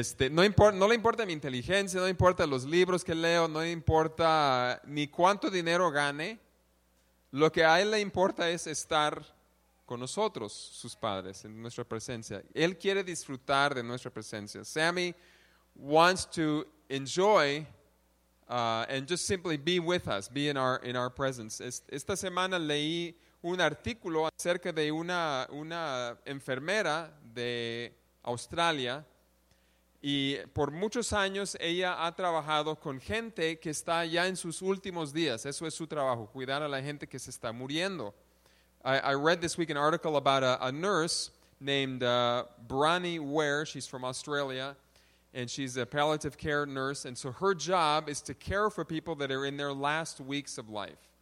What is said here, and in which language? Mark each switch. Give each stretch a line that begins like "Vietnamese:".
Spanish: No le importa mi inteligencia, no importa los libros que leo, no importa ni cuánto dinero gane. Lo que a él le importa es estar con nosotros, sus padres, en nuestra presencia. Él quiere disfrutar de nuestra presencia.
English: Sammy wants to enjoy and just simply be with us, be in our presence.
Spanish: Esta semana leí un artículo acerca de una enfermera de Australia. Y por muchos años ella ha trabajado con gente que está ya en sus últimos días. Eso es su trabajo, cuidar a la gente que se está muriendo.
English: I read this week an article about a nurse named Bronnie Ware. She's from Australia, and she's a palliative care nurse. And so her job is to care for people that are in their last weeks of life.